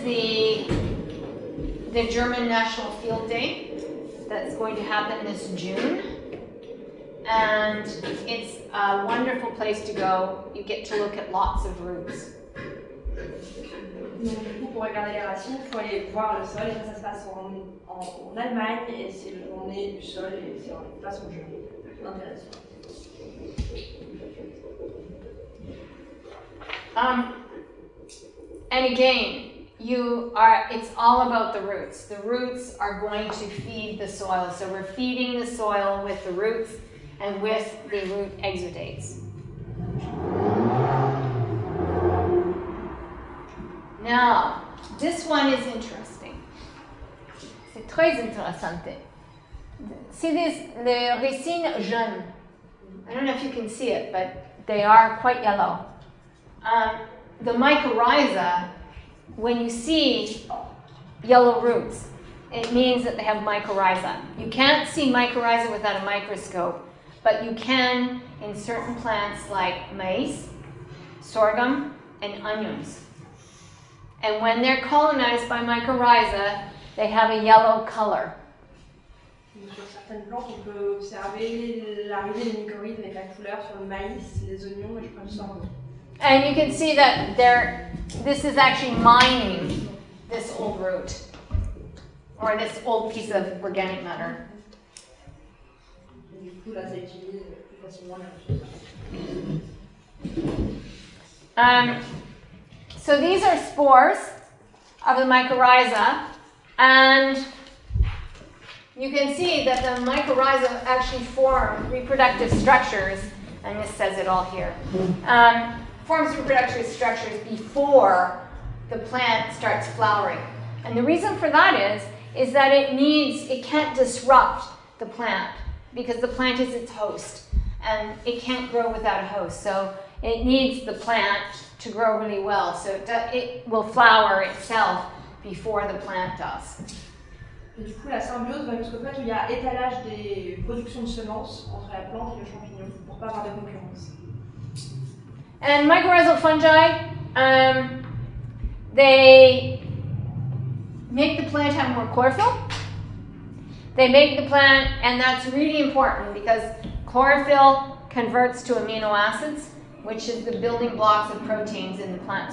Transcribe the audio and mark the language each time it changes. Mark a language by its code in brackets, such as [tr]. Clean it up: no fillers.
[en] This is the German National Field Day that's going to happen this June. And it's a wonderful place to go. You get to look at lots of roots. [fr] Donc du coup, pour regarder les racines, il faut aller voir le sol, et ça se passe en Allemagne, et c'est le journée du sol, et c'est en façon jeune. [en] And again, it's all about the roots. The roots are going to feed the soil, so we're feeding the soil with the roots and with the root exudates. Now, this one is interesting. [fr] C'est très intéressant. [en] See these, the [fr] racines jaunes. [en] I don't know if you can see it, but they are quite yellow. The mycorrhiza, when you see yellow roots, it means that they have mycorrhiza. You can't see mycorrhiza without a microscope, but you can in certain plants like maize, sorghum, and onions. And when they're colonized by mycorrhiza, they have a yellow color. [fr] Sur certaines plantes, on peut observer l'arrivée des mycorhizes avec la couleur sur le maïs, les oignons et je crois le sorgho. [en] And you can see that this is actually mining this old root or this old piece of organic matter. [fr] Du coup, là, c'est utilisé de façon moins énergétique. [en] So these are spores of the mycorrhiza, and you can see that the mycorrhiza actually form reproductive structures, and this says it all here, forms reproductive structures before the plant starts flowering. And the reason for that is that it can't disrupt the plant, because the plant is its host, and it can't grow without a host. So it needs the plant to grow really well, so it will flower itself before the plant does. [fr] Et du coup, la symbiose va jusqu'au fait où il y a étalage des productions de semences entre la plante et le champignon pour pas avoir de concurrence. [en] And mycorrhizal fungi, they make the plant have more chlorophyll. They make the plant, and that's really important because chlorophyll converts to amino acids, which is the building blocks of proteins in the plant.